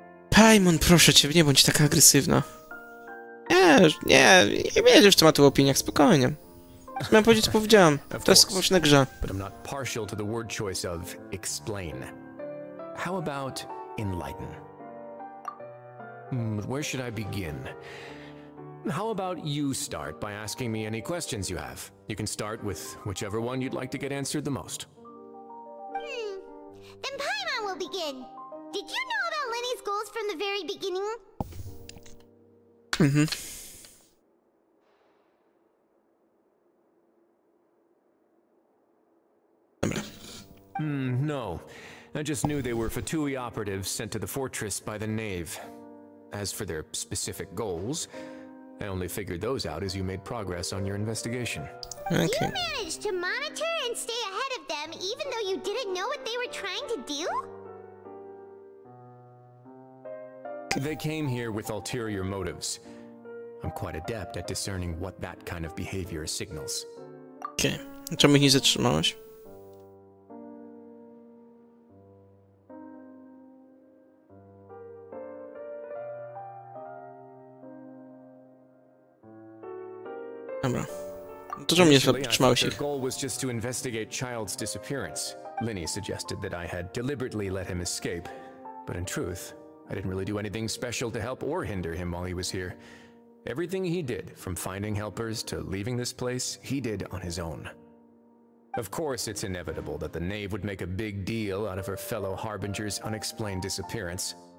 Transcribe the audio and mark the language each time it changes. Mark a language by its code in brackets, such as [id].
[pl] Paimon, proszę cię, nie bądź taka agresywna. Nie wiesz, co ma tu w opiniach, spokojnie. Miałem powiedzieć, co powiedziałem. To jest skupiam się na grze. [en] But I'm not partial to the word choice of explain. How about enlighten? Where should I begin? How about you start by asking me any questions you have? You can start with whichever one you'd like to get answered the most. Then Paimon will begin. Did you know about Lenny's goals from the very beginning? Mhm. No. I just knew they were Fatui operatives sent to the fortress by the Knave. As for their specific goals, I only figured those out as you made progress on your investigation. Okay. You managed to monitor and stay ahead of them, even though you didn't know what they were trying to do? They came here with ulterior motives. I'm quite adept at discerning what that kind of behavior signals. [pl] Okay. Czemu ich nie zatrzymałeś? Dobra. To czemu nie zatrzymałeś ich? [en] Goal was just to investigate child's disappearance. Linny suggested that I had deliberately let him escape, but in truth, I didn't really do anything special to help or hinder him while he was here. Everything he did, from finding helpers to leaving this place, he did on his own. Of course, it's inevitable that the Knave would make a big deal out of her fellow Harbinger's unexplained disappearance.